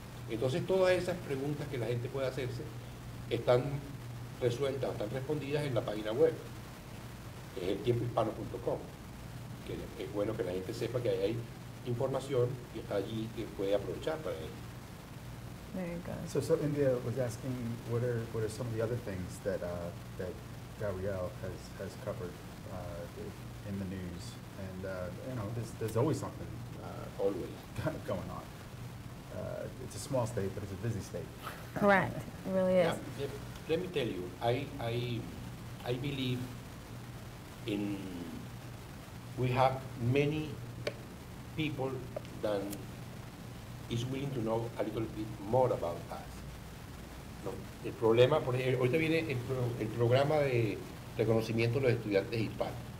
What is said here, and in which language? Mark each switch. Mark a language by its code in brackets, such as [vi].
[es] Entonces, todas esas preguntas que la gente puede hacerse están resueltas, están respondidas en la página web, que es eltiempohispano.com, que es bueno que la gente sepa que ahí hay información y está allí que puede aprovechar para ello. [en] So India was asking, what are some of the other things that that Gabriel has covered in the news? And, you know, there's always something always going on. It's a small state, but it's a busy state. Correct, it really is. Yeah, let me tell you, I believe in, we have many people that is willing to know a little bit more about us. [es] No, el problema, por ejemplo, ahorita viene el programa de reconocimiento de los estudiantes hispanos.